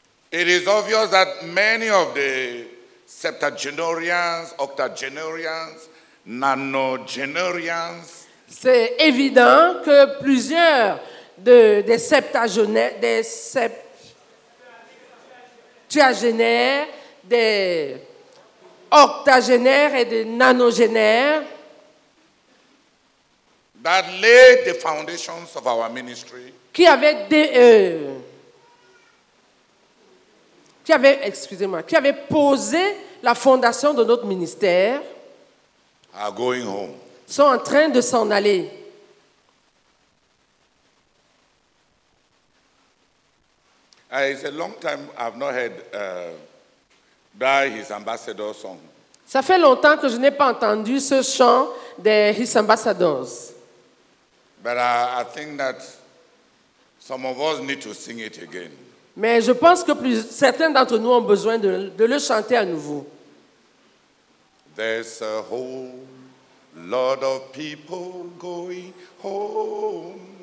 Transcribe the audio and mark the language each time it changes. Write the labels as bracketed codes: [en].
[en] It is obvious that many of the septuagenarians, octogenarians, nonagenarians. [fr] C'est évident que plusieurs des septuagénaires, des septuagénaires, des octogénaires et des nanogénaires. [en] That laid the foundations of our ministry. [fr] Qui avait posé la fondation de notre ministère, [en] are going home. [fr] Sont en train de s'en aller. [en] It's a long time I've not heard his ambassador song. [fr] Ça fait longtemps que je n'ai pas entendu ce chant des His Ambassadors. [en] But I think that some of us need to sing it again. [fr] Mais je pense que certains d'entre nous ont besoin de le chanter à nouveau. [en] There's a whole lot of people going home.